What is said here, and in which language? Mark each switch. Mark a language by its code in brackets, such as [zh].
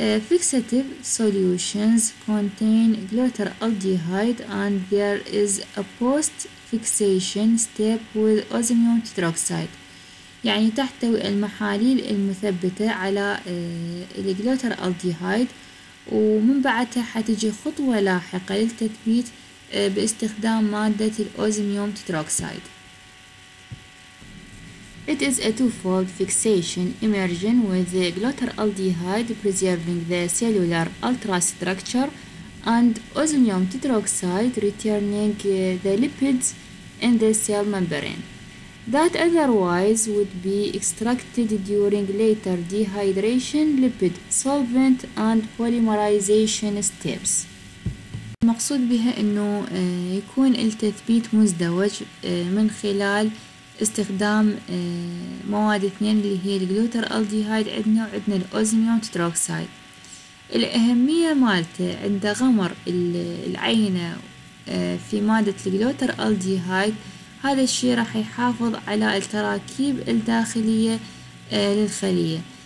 [en] fixative solutions contain glutaraldehyde and there is a post fixation step with osmium tetroxide، [ar] يعني تحتوي المحاليل المثبتة على الجلوتر ألديهايد، ومن بعدها حتجي خطوة لاحقة للتثبيت باستخدام مادة الأوزميوم تتروكسايد. [en] It is a two-fold fixation immersion with the glutar aldehyde preserving the cellular ultrastructure and osmium tetroxide returning the lipids in the cell membrane that otherwise would be extracted during later dehydration, lipid solvent and polymerization steps. [ar] المقصود بها انه يكون التثبيت مزدوج من خلال استخدام مواد اثنين اللي هي الجلوتر الديهايد عندنا وعندنا الاوزميوم تتروكسايد. الاهمية مالته عند غمر العينة في مادة الجلوتر الديهايد، هذا الشيء راح يحافظ على التراكيب الداخلية للخلية.